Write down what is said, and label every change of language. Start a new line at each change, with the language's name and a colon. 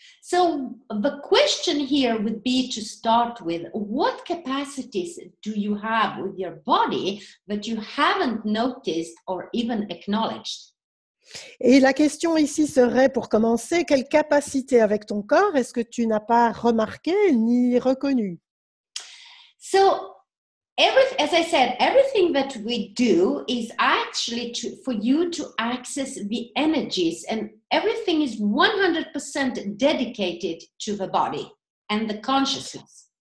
English: So, the question here would be to start with, what capacities do you have with your body that you haven't noticed or even acknowledged?
French: Et la question ici serait, pour commencer, quelle capacité avec ton corps est-ce que tu n'as pas remarqué ni reconnu?
English: So, as I said, everything that we do is actually to, for you to access the energies, and everything is 100% dedicated to the body and the consciousness.